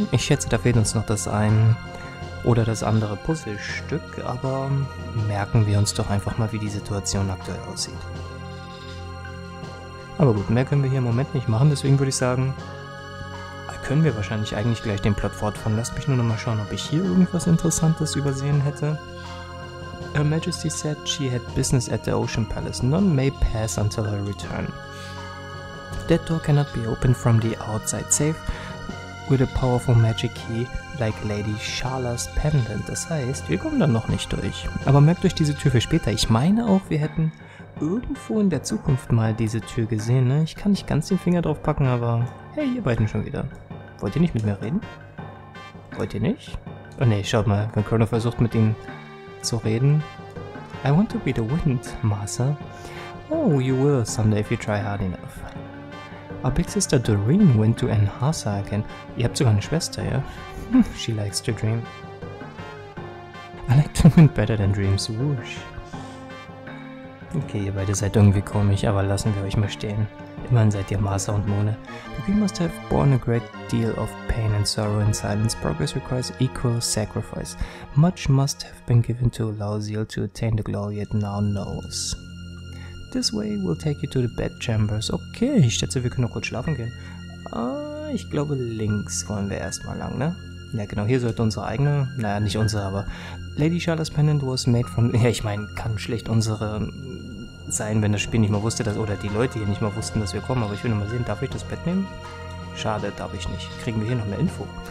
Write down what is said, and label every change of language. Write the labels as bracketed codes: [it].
[de] Ich schätze, da fehlt uns noch das ein oder das andere Puzzlestück, aber merken wir uns doch einfach mal, wie die Situation aktuell aussieht. Aber gut, mehr können wir hier im Moment nicht machen, deswegen würde ich sagen, können wir wahrscheinlich eigentlich gleich den Plot fortfahren. Lasst mich nur noch mal schauen, ob ich hier irgendwas Interessantes übersehen hätte. [en] Her Majesty said she had business at the Ocean Palace. None may pass until her return. That door cannot be opened from the outside, save with a powerful magic key like Lady Charla's pendant. [de] Das heißt, wir kommen dann noch nicht durch. Aber merkt euch diese Tür für später. Ich meine auch, wir hätten irgendwo in der Zukunft mal diese Tür gesehen, ne? Ich kann nicht ganz den Finger drauf packen, aber hey, ihr beiden schon wieder. Wollt ihr nicht mit mir reden? Wollt ihr nicht? Oh ne, schaut mal, wenn Chrono versucht mit ihm zu reden. [en] I want to be the wind, Master. Oh, you will someday if you try hard enough. Our big sister Doreen went to Enhasa again. [de] Ihr habt sogar eine Schwester, ja? [en] She likes to dream. I like to win better than dreams. Whoosh. [de] Okay, ihr beide seid irgendwie komisch, aber lassen wir euch mal stehen. Immerhin seid ihr Master und Mone. [en] The Queen must have borne a great deal of pain and sorrow in silence. Progress requires equal sacrifice. Much must have been given to allow Zeal to attain the glory it now knows. This way will take you to the bedchambers. [de] Okay, ich schätze, wir können noch kurz schlafen gehen. Ich glaube, links wollen wir erstmal lang, ne? Ja, genau, hier sollte unsere eigene, naja, nicht unsere, aber Lady Charla's [en] Pendant was made from, [de] ja, ich meine, kann schlecht unsere sein, wenn das Spiel nicht mal wusste, dass, oder die Leute hier nicht mal wussten, dass wir kommen, aber ich will nochmal sehen, darf ich das Bett nehmen? Schade, darf ich nicht. Kriegen wir hier noch mehr Info?